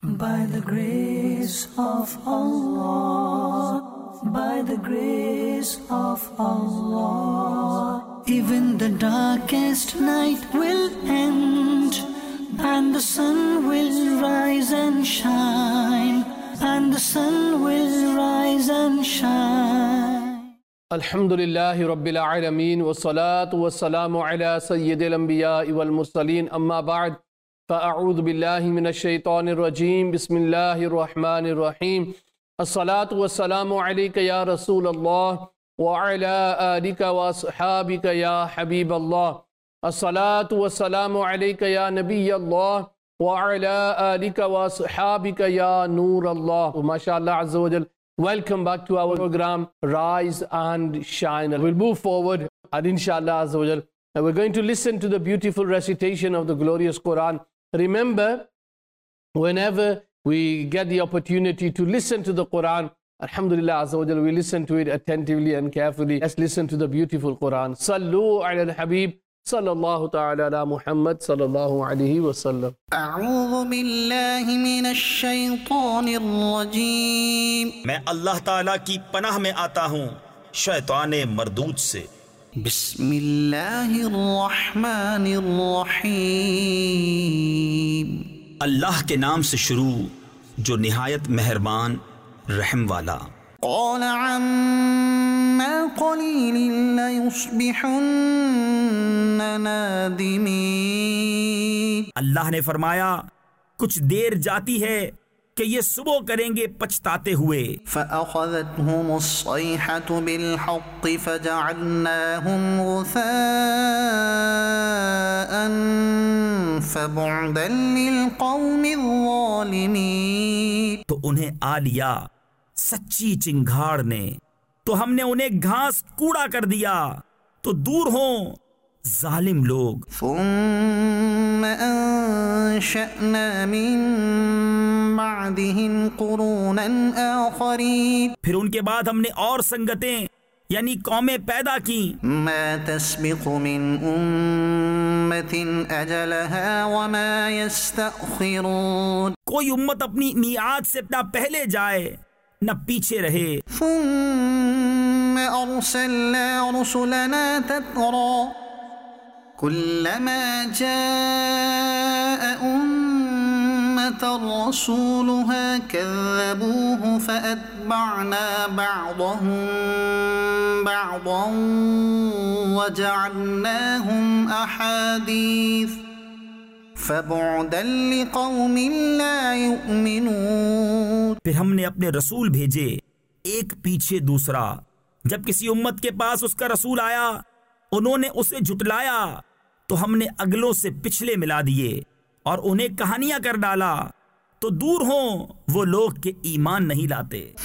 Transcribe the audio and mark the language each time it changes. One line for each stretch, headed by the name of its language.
English: the grace of Allah, by the grace of Allah, even the darkest night will end, and the sun will rise and shine, and the sun will rise and shine.
Arabic: الحمد لله رب العالمين والصلاة والسلام على سيد الأنبياء والمرسلين أما بعد فأعوذ بالله من الشيطان الرجيم بسم الله الرحمن الرحيم الصلاة والسلام عليك يا رسول الله وعلى آلك وأصحابك يا حبيب الله الصلاة والسلام عليك يا نبي الله وعلى آلك وأصحابك يا نور الله ما شاء الله عز وجل.
English: Welcome back to our program, Rise and Shine. We'll move forward, and inshallah, azawajal, and we're going to listen to the beautiful recitation of the glorious Quran. Remember, whenever we get the opportunity to listen to the Quran, alhamdulillah, azawajal, we listen to it attentively and carefully. Let's listen to the beautiful Quran.
Arabic: Sallu ala al-habib. صلى الله تعالى على محمد صلى الله عليه وسلم. أعوذ بالله من الشيطان الرجيم.
Urdu: میں اللہ تعالی کی پناہ میں آتا ہوں شیطان مردود سے.
Arabic: بسم اللہ الرحمن الرحیم.
Urdu: اللہ کے نام سے شروع جو نہایت مہربان رحم والا.
Arabic: قال عما قليل ليصبحن نادمين.
Urdu: اللہ نے فرمایا کچھ دیر جاتی ہے کہ یہ صبح کریں گے پچھتاتے ہوئے.
Arabic: فأخذتهم الصيحة بالحق فجعلناهم غثاء فبعدا للقوم الظالمين.
Urdu: تو انہیں آ لیا سچی چنگھاڑ نے, تو ہم نے انہیں گھاس کوڑا کر دیا تو دور ہوں ظالم لوگ.
Arabic: ثم انشأنا من بعدهم قرونا آخرین.
Urdu: پھر ان کے بعد ہم نے اور سنگتیں یعنی قومیں پیدا کی.
Arabic: ما تسبق من امت اجلها وما يستأخرون.
Urdu: کوئی امت اپنی میعاد سے اتنا پہلے جائے نہ پیچھے رہے.
Arabic: ثم ارسلنا رسلنا تترى كلما جاء امة رسولها كذبوه فاتبعنا بعضهم بعضا وجعلناهم احاديث فبعدا لقوم لا يؤمنون.
Urdu: پھر ہم نے اپنے رسول بھیجے ایک پیچھے دوسرا, جب کسی امت کے پاس اس کا رسول آیا انہوں نے اسے جھٹلایا تو ہم نے اگلوں سے پچھلے ملا دیے اور انہیں کہانیاں کر ڈالا تو دور ہوں وہ لوگ کے ایمان نہیں لاتے.